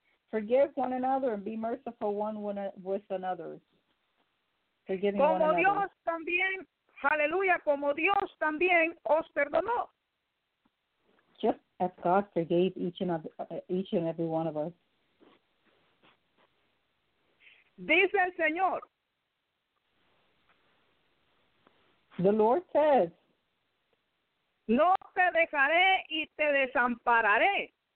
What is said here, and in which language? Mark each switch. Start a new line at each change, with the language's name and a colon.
English: Forgive one another and be merciful one with another. Forgiving
Spanish: como
English: one another.
Spanish: Dios también, aleluya, como Dios también os perdonó.
English: Just as God forgave each and every one of us.
Spanish: Dice el Señor.
English: The Lord says,
Spanish: no te dejaré y te desampararé.